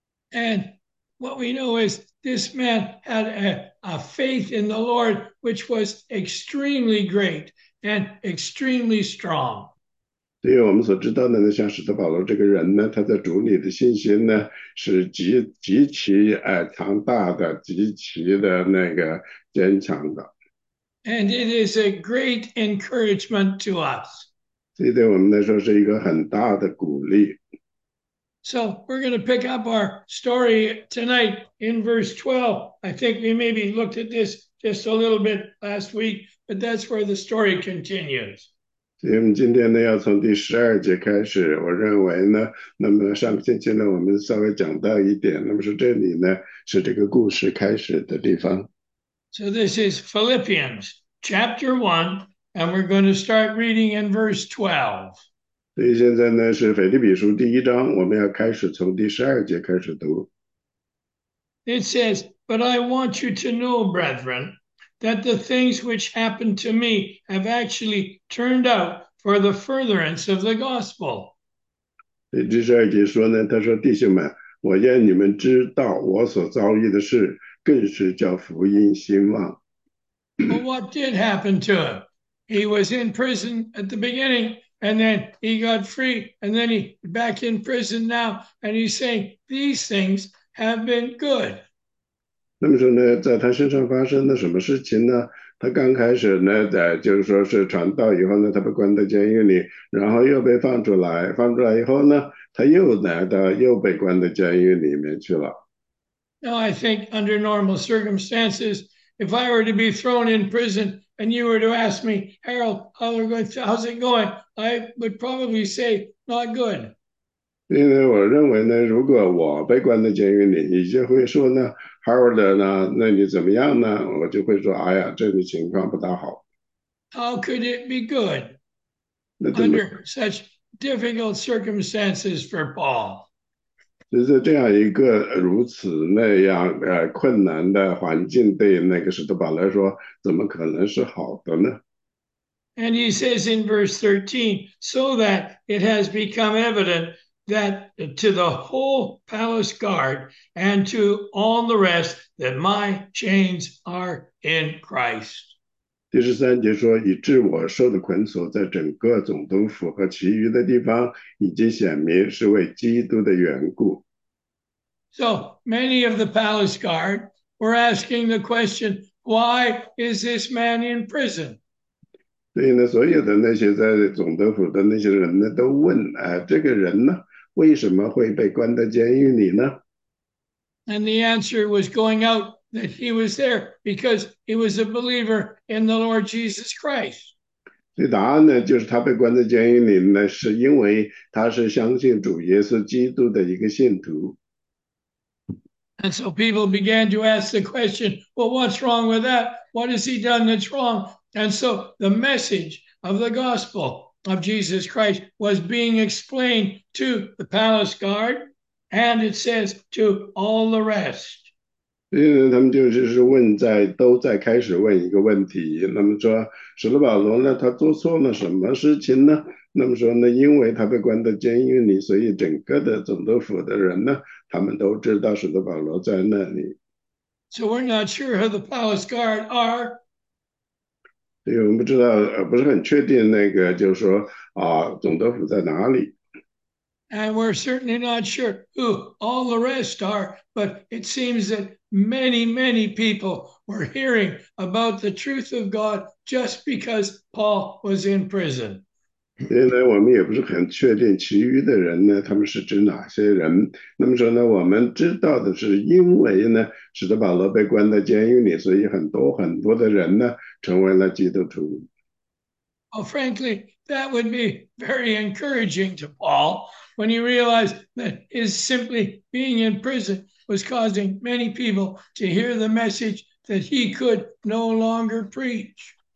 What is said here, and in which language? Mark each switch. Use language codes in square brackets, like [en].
[en] And what we know is this man had a faith in the Lord, which was extremely great and extremely strong. [zh] 对于我们所知道的呢，像使徒保罗这个人呢，他在主里的信心呢是极其强大的，极其的那个坚强的。 [en] And it is a great encouragement to us. [zh] 这对我们来说是一个很大的鼓励。 [en] So we're going to pick up our story tonight in verse 12. I think we maybe looked at this just a little bit last week, but that's where the story continues. [zh] 所以我们今天呢，要从第12节开始。我认为呢，那么上个星期呢，我们稍微讲到一点，那么说这里呢，是这个故事开始的地方。 [en] So this is Philippians chapter 1, and we're going to start reading in verse 12. [zh] 所以现在呢是腓立比书第一章，我们要开始从第12节开始读。 [en] It says, But I want you to know, brethren, that the things which happened to me have actually turned out for the furtherance of the gospel. [zh] 对，第12节说呢，他说：“弟兄们，我愿你们知道我所遭遇的事，更是叫福音兴旺。 ” [en] But what did happen to him? He was in prison at the beginning, and then he got free, and then he's back in prison now, and he's saying these things have been good. [zh] 那么说呢，在他身上发生了什么事情呢？他刚开始呢，就是说是传道以后呢，他被关在监狱里，然后又被放出来，放出来以后呢，他又来到又被关在监狱里面去了。 [en] Now, I think under normal circumstances, if I were to be thrown in prison and you were to ask me, Harold, how's it going? I would probably say, not good. [zh] 因为我认为呢，如果我被关在监狱里，你就会说呢，Howard 呢，那你怎么样呢？我就会说，哎呀，这个情况不大好。 [en] How could it be good [zh] 那怎么？ [en] under such difficult circumstances for Paul? [zh] 就是这样一个如此那样困难的环境，对那个使徒保罗来说，怎么可能是好的呢？ [en] And he says in verse 13, so that it has become evident that to the whole palace guard and to all the rest that my chains are in Christ. [zh] 13节说，以致我受的捆锁在整个总督府和其余的地方已经显明是为基督的缘故。 [en] So many of the palace guard were asking the question, why is this man in prison? [zh] 所以呢，所有的那些在总督府的那些人呢，都问，哎，这个人呢，为什么会被关在监狱里呢？ [en] And the answer was going out that he was there because he was a believer in the Lord Jesus Christ. [zh] 这答案呢，就是他被关在监狱里呢，是因为他是相信主耶稣基督的一个信徒。 [en] And so people began to ask the question, well, what's wrong with that? What has he done that's wrong? And so the message of the gospel of Jesus Christ was being explained to the palace guard. And it says to all the rest. [zh] 所以呢，他们就是问在都在开始问一个问题，那么说使徒保罗呢，他做错了什么事情呢？那么说呢，因为他被关在监狱里，所以整个的总督府的人呢，他们都知道使徒保罗在那里。 [en] So we're not sure who the palace guard are. [zh] 所以我们不知道，不是很确定那个，就是说总督府在哪里。 [en] And we're certainly not sure who all the rest are, but it seems that many, many people were hearing about the truth of God just because Paul was in prison. [zh] 所以呢，我们也不是很确定其余的人呢，他们是指哪些人。那么说呢，我们知道的是，因为呢，使徒保罗被关在监狱里，所以很多的人呢，成为了基督徒。 [en] Well, frankly, that would be very encouraging to Paul. when he realized that his simply being in prison was causing many people to hear the message that he could no longer preach.